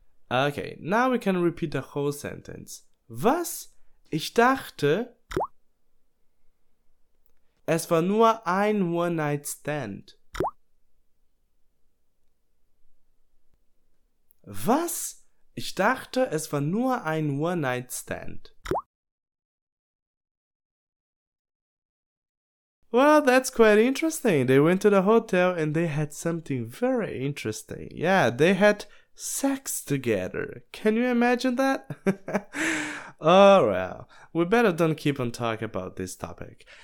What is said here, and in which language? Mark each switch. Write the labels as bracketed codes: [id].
[en] Okay, now we can repeat the whole sentence. [de] Was? Ich dachte, es war nur ein One-Night-Stand. Was? Ich dachte, es war nur ein One-Night-Stand. [en] Well, that's quite interesting. They went to the hotel and they had something very interesting. Yeah, they had sex together. Can you imagine that? Oh, well, we better don't keep on talking about this topic.